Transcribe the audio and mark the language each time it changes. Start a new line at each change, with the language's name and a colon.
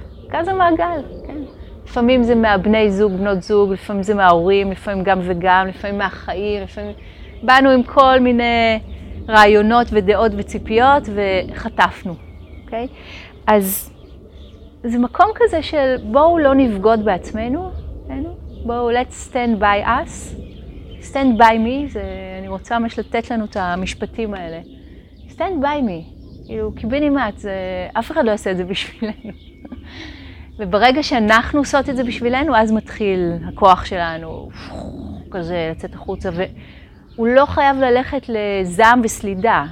Hebrew: כזה המעגל, כן. לפעמים זה מהבני זוג, בנות זוג, לפעמים זה מההורים, לפעמים גם וגם, לפעמים מהחיים, לפעמים... באנו עם כל מיני רעיונות ודעות וציפיות וחטפנו, אוקיי? אז זה מקום כזה של בואו לא נבגוד בעצמנו, כן? בואו,
English: let's stand by us. Stand by me,
Hebrew: זה... אני רוצה ממש לתת לנו את המשפטים האלה.
English: Stand by me.
Hebrew: כאילו, קיבינימט, זה... אף אחד לא עושה את זה בשבילנו. וברגע שאנחנו עושות את זה בשבילנו, אז מתחיל הכוח שלנו כזה לצאת החוצה. והוא לא חייב ללכת לזעם וסלידה.